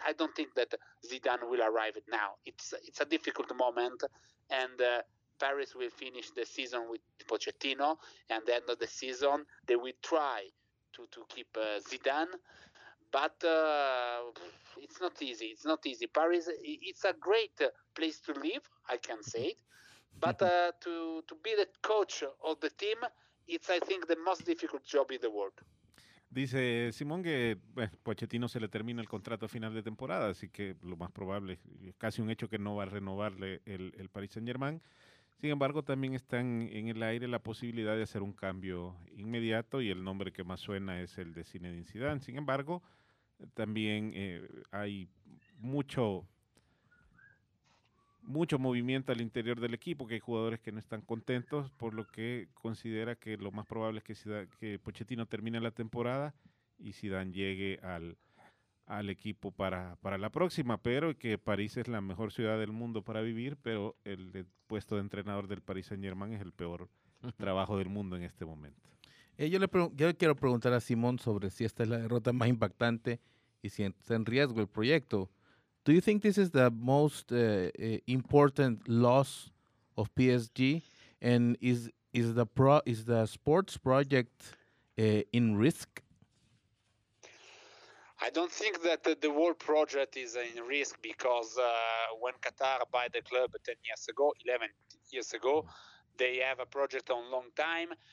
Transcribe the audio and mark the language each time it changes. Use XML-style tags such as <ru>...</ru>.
<en>I don't think that Zidane will arrive now. It's a difficult moment, and Paris will finish the season with Pochettino, and at the end of the season, they will try to keep Zidane, but it's not easy. It's not easy. Paris, it's a great place to live, I can say it, but to be the coach of the team, it's, I think, the most difficult job in the world.</en> <es>Dice Simón que Pochettino se le termina el contrato a final de temporada, así que lo más probable, es casi un hecho, que no va a renovarle el Paris Saint-Germain. Sin embargo, también está en el aire la posibilidad de hacer un cambio inmediato, y el nombre que más suena es el de Zinedine Zidane. Sin embargo, también hay mucho movimiento al interior del equipo, que hay jugadores que no están contentos, por lo que considera que lo más probable es que Pochettino termine la temporada y Zidane llegue al equipo para la próxima, pero que París es la mejor ciudad del mundo para vivir, pero el puesto de entrenador del Paris Saint-Germain es el peor trabajo del mundo en este momento. Yo quiero preguntar a Simón sobre si esta es la derrota más impactante y si está en riesgo el proyecto.</es> <en>Do you think this is the most important loss of PSG? And is the sports project in risk? I don't think that the whole project is in risk because when Qatar buy the club 10 years ago, 11 years ago, they have a project on long time.</en>